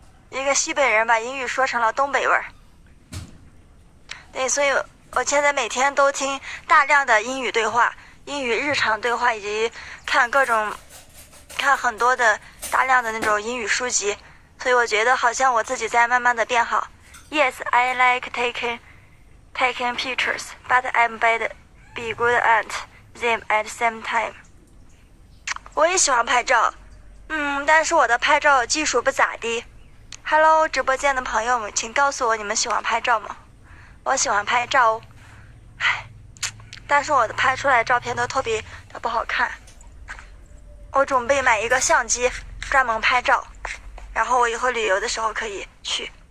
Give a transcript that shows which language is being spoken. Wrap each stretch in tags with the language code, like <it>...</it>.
<zh>一个西北人把英语说成了东北味儿。对，所以我现在每天都听大量的英语对话。英语日常对话以及看各种，看很多的大量的那种英语书籍，所以我觉得好像我自己在慢慢的变好。</zh> <en>Yes, I like taking pictures, but I'm bad be good at them at the same time。</en> <zh>我也喜欢拍照，但是我的拍照技术不咋地。 Hello，直播间的朋友们，请告诉我你们喜欢拍照吗？我喜欢拍照哦。但是我的拍出来照片都特别的不好看，我准备买一个相机专门拍照，然后我以后旅游的时候可以去。</zh>